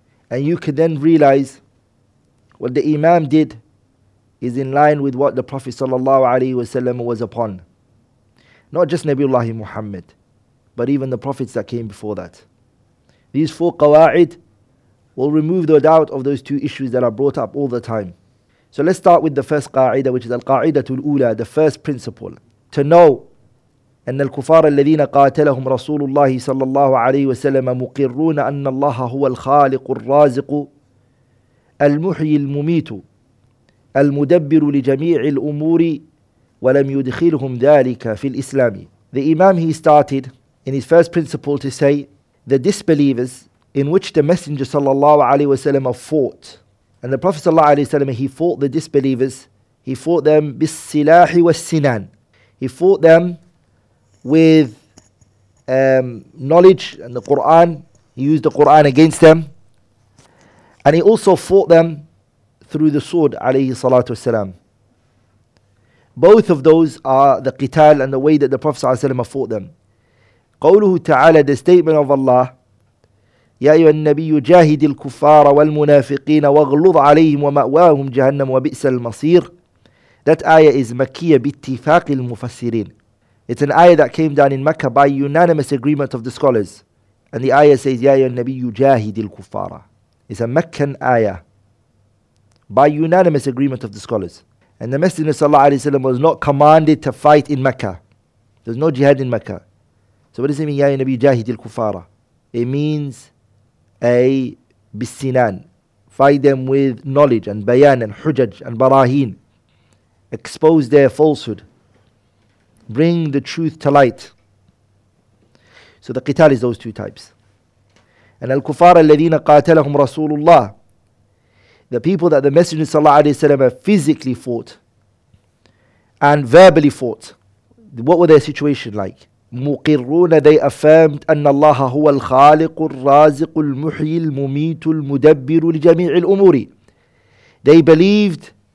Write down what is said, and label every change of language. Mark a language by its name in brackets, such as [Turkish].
[English] And you can then realize what the Imam did is in line with what the Prophet sallallahu alaihi wasallam was upon. Not just Nabiullah Muhammad, but even the prophets that came before that. These four qawa'id will remove the doubt of those two issues that are brought up all the time. So let's start with the first qa'idah, which is al-qa'idah al-ula, the first principle. To know, [Arabic] أن الكفار الذين قاتلهم رسول الله صلى الله عليه وسلم مقرون أن الله هو الخالق الرازق المحيي المميت المدبر لجميع الأمور ولم يدخلهم ذلك في الإسلام. [English] The Imam, he started in his first principle to say the disbelievers in which the Messenger [Arabic] صلى الله عليه وسلم [English] fought. And the Prophet sallallahu alaihi wasallam, he fought the disbelievers. He fought them bis-silahi was-sinan. He fought them with knowledge and the Quran. He used the Quran against them, and he also fought them through the sword, alayhi salatu wasalam. Both of those are the qital and the way that the Prophet sallallahu alaihi wasallam fought them. [Arabic] Qawluhu ta'ala, [English] the statement of Allah, [Arabic] يا أيها النبي جاهد الكفار والمنافقين واغلظ عليهم ومأواهم جهنم وبئس المصير. [English] That ayah is [Arabic] مكية باتفاق المفسرين. [English] It's an ayah that came down in Mecca by unanimous agreement of the scholars. And the ayah says [Arabic] يا أيها النبي جاهد الكفار. [English] It's a Meccan ayah by unanimous agreement of the scholars. And the Messenger [Arabic] صلى الله عليه وسلم [English] was not commanded to fight in Mecca. There's no jihad in Mecca. So what does it mean [Arabic] يا أيها النبي جاهد الكفار? [English] It means a bisinan, fight them with knowledge and bayan and hujaj and barahin, expose their falsehood, bring the truth to light. So the qital is those two types. And al kufar alladhina qatalahum rasulullah, the people that the Messenger sallallahu alaihi wasallam physically fought and verbally fought, what were their situation like? [Arabic] مقرون, [English] they affirmed [Arabic] أن الله هو الخالق الرازق المحيي المميت المدبر لجميع الأمور. [English] They believed